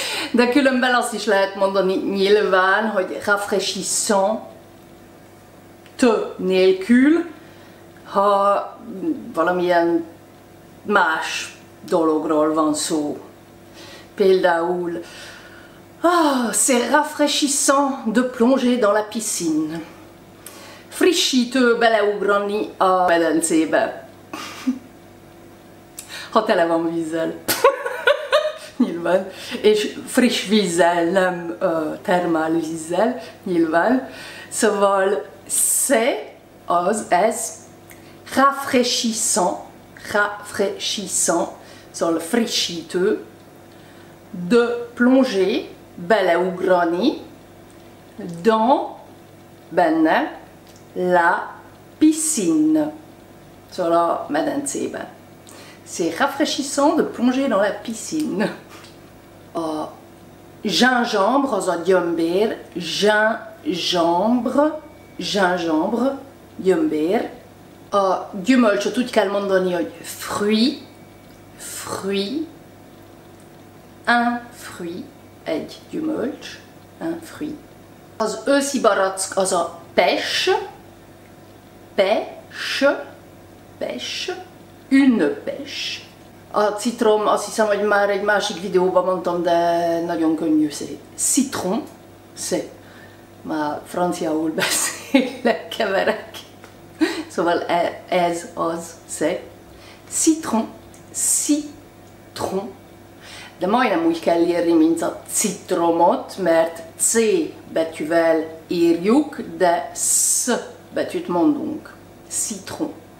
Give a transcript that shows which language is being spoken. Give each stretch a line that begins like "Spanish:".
Hungarian: De különben azt is lehet mondani nyilván, hogy rafraîchissante nélkül, ha valamilyen más dologról van szó. Például,
French: ah, c'est rafraîchissant de plonger dans la piscine.
Hungarian: Frissítő beleugrani a medencébe. Ha tele van vízzel. Nyilván. És friss vízzel, nem termál vízzel. Nyilván. Szóval, c'est, az, ez, rafraîchissant, rafraîchissant, szóval frissítő,
French: de plonger,
Hungarian: beleugrani, dans, benne,
French: la piscine,
Hungarian: szóval a medencében.
French: C'est rafraîchissant de plonger dans la piscine.
Hungarian: A gingembre, az a gyömbér, gingembre, gingembre, gyömbér. A gyümölcsöt úgy kell mondani, hogy fruit, fruit,
French: un fruit,
Hungarian: egy gyümölcs, un fruit. Az őszi barack, az a pêche, pêche, pêche,
French: une pêche.
Hungarian: A citrom, azt hiszem, hogy már egy másik videóban mondtam, de nagyon könnyű,
French: c'est citron, c'est.
Hungarian: Már franciául beszélek, keverek. Szóval ez, az, c'est. Citron, citron. De majdnem úgy kell írni, mint a citromot, mert C betűvel írjuk, de S betűt mondunk. Citron.